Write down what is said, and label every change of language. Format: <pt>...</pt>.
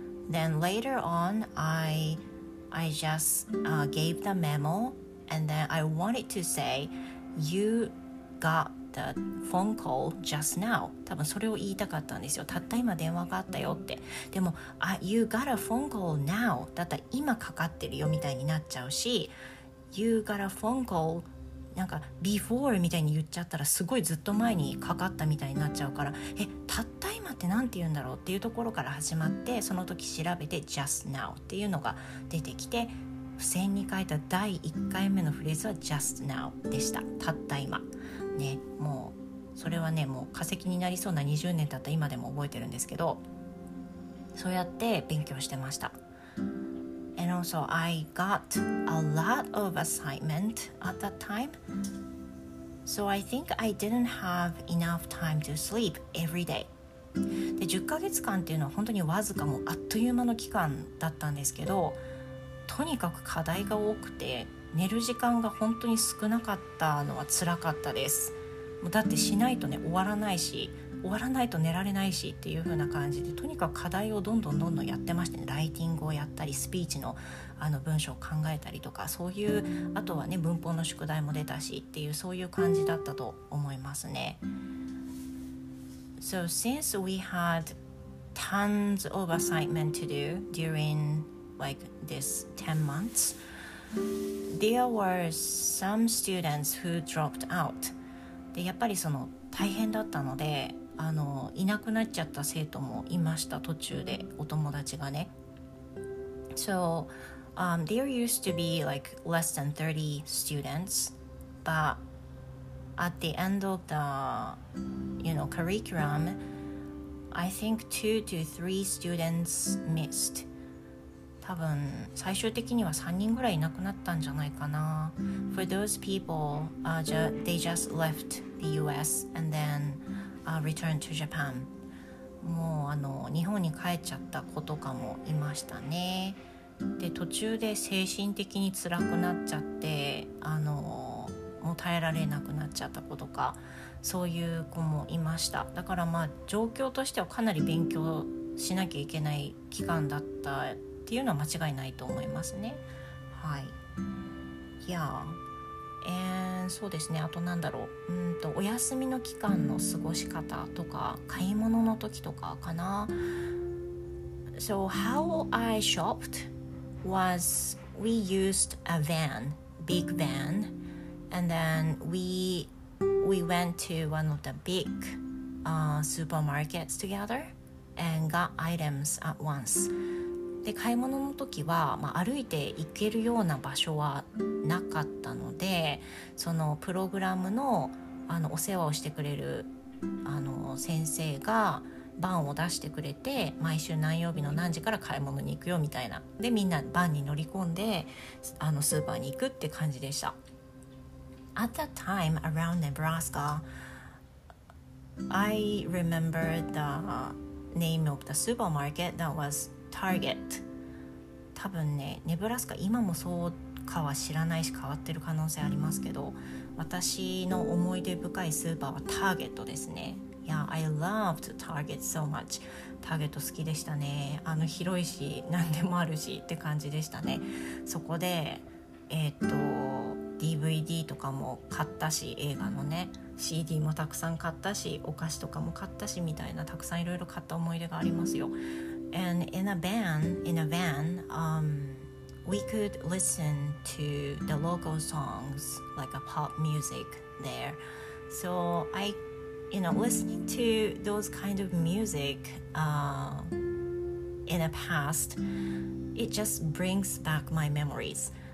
<en>Then later on, I just gave the memo, and then I wanted to say, you got phone call just now.</en> <ja>多分それを言いたかったんですよ。たった今電話があったよって。でも</ja> <en>You got a phone call now</en> <ja>だったら今かかってるよみたいになっちゃうし、</ja> <en>You got a phone call</en> <ja>なんか</ja> <en>before</en> <ja>みたいに言っちゃったらすごいずっと前にかかったみたいになっちゃうから、たった今ってなんて言うんだろうっていうところから始まって、その時調べて</ja> <en>just now</en> <ja>っていうのが出てきて、付箋に書いた第1回目のフレーズは just now でした。たった今ね、もうそれはね、もう化石になりそうな20年経った今でも覚えてるんですけど、そうやって勉強してました。</ja> <en>And also I got a lot of assignment at that time, so I think I didn't have enough time to sleep every day.</en> <ja>で10ヶ月間っていうのは本当にわずか、もうあっという間の期間だったんですけど、とにかく課題が多くて寝る時間が本当に少なかったのは辛かったです。だってしないとね、終わらないし、終わらないと寝られないしっていう風な感じで、とにかく課題をどんどんどんどんやってましてね、ライティングをやったり、スピーチの、あの文章を考えたりとか、そういう、あとはね、文法の宿題も出たしっていう、そういう感じだったと思いますね。</ja> <en>So since we had tons of assignment to do during like this 10 monthsThere were some students who dropped out.</en> <ja>で、やっぱりその大変だったので、あのいなくなっちゃった生徒もいました。途中でお友達がね。</ja> <en>So, there used to be like less than 30 students, but at the end of the, you know, curriculum, I think 2 to 3 students missed.</en> <ja>多分最終的には3人ぐらいいなくなったんじゃないかな。</ja> <en>For those people, they just left the US and then returned to Japan.</en> <ja>もう日本に帰っちゃった子とかもいましたね。で途中で精神的に辛くなっちゃって、もう耐えられなくなっちゃった子とか、そういう子もいました。だからまあ状況としてはかなり勉強しなきゃいけない期間だったっていうのは間違いないと思いますね。はい。Yeah. And そうですね。あとなんだろう。お休みの期間の過ごし方とか、買い物の時とかかな。</ja> <en>So how I shopped was we used a van, big van, and then we went to one of the big supermarkets together and got items at once.</en> <ja>で買い物の時は、まあ、歩いて行けるような場所はなかったので、そのプログラム の, お世話をしてくれる先生がバンを出してくれて、毎週何曜日の何時から買い物に行くよみたいな、でみんなバンに乗り込んでスーパーに行くって感じでした。</ja> <en>At that time around Nebraska I remember the name of the supermarket that wasTarget.</en> <ja>多分ね、ネブラスカ今もそうかは知らないし、変わってる可能性ありますけど、私の思い出深いスーパーはターゲットですね。</ja> <en>Yeah, I loved Target so much.</en> <ja>ターゲット好きでしたね。広いし何でもあるしって感じでしたね。そこで、DVD とかも買ったし、映画のね CD もたくさん買ったし、お菓子とかも買ったしみたいな、たくさんいろいろ買った思い出がありますよ。</ja> <en>And in a van, we could listen to the local songs, like a pop music there. So I, listening to those kind of music in the past, it just brings back my memories.</en>